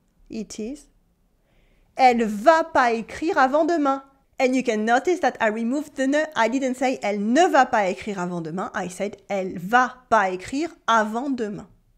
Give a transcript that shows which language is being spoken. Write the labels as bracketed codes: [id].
[en] It is, [fr] elle va pas écrire avant demain. [en] And you can notice that I removed the ne. I didn't say [fr] elle ne va pas écrire avant demain. [en] I said [fr] elle va pas écrire avant demain.